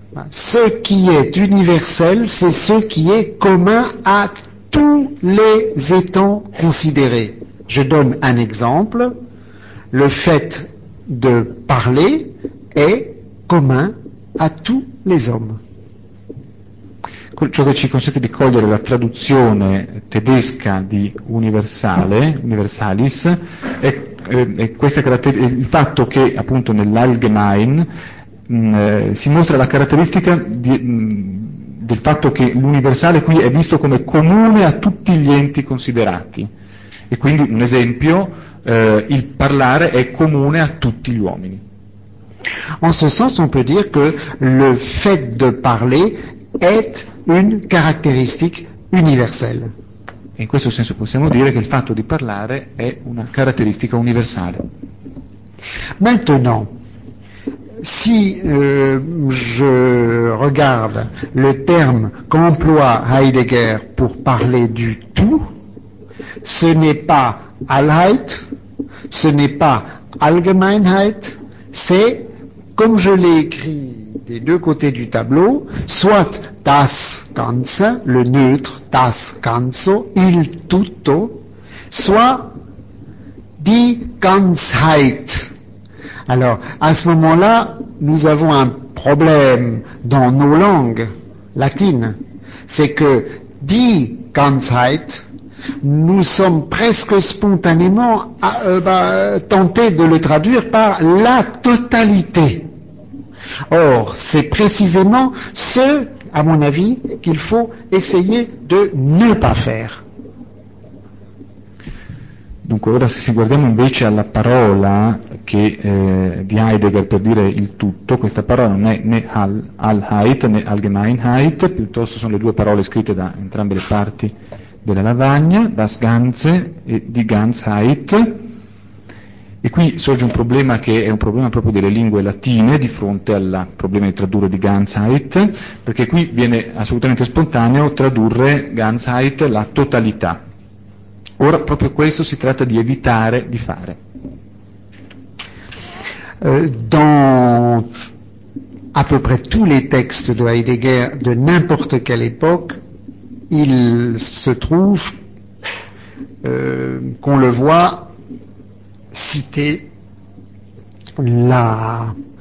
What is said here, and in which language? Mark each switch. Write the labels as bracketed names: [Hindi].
[French] Ce qui est universel, c'est ce qui est commun à tous les étants considérés. Je donne un exemple. Le fait de parler est commun à tous les hommes. [Italian] Ciò che ci consente di cogliere la traduzione tedesca di universalis è questa caratteristica, il fatto che appunto nell'Allgemein si mostra la caratteristica del fatto che l'universale qui è visto come comune a tutti gli enti considerati. E quindi, un esempio, il parlare è comune a tutti gli uomini. [French] En ce sens, on peut dire que le fait de parler est une caractéristique universelle. [Italian] E in questo senso possiamo dire che il fatto di parlare è una caratteristica universale. [French] Maintenant, Si je regarde le terme qu'emploie Heidegger pour parler du tout, ce n'est pas Allheit, ce n'est pas Allgemeinheit, c'est, comme je l'ai écrit des deux côtés du tableau, soit das Ganze, le neutre, das Ganze, [Italian] il tutto, [French] soit die Ganzheit. Alors, à ce moment-là, nous avons un problème dans nos langues latines. C'est que die Ganzheit, nous sommes presque spontanément tentés de le traduire par la totalité. Or, c'est précisément ce, à mon avis, qu'il faut essayer de ne pas faire. [Italian] Dunque, ora se guardiamo invece alla parola che di Heidegger per dire il tutto, questa parola non è né Allheit né Allgemeinheit, piuttosto sono le due parole scritte da entrambe le parti della lavagna, das Ganze e die Ganzheit. E qui sorge un problema che è un problema proprio delle lingue latine di fronte al problema di tradurre di Ganzheit, perché qui viene assolutamente spontaneo tradurre Ganzheit la totalità. Ora proprio questo si tratta di evitare di fare. [French] A peu près tous les textes de Heidegger de n'importe quelle époque, il se trouve qu'on le voit citer la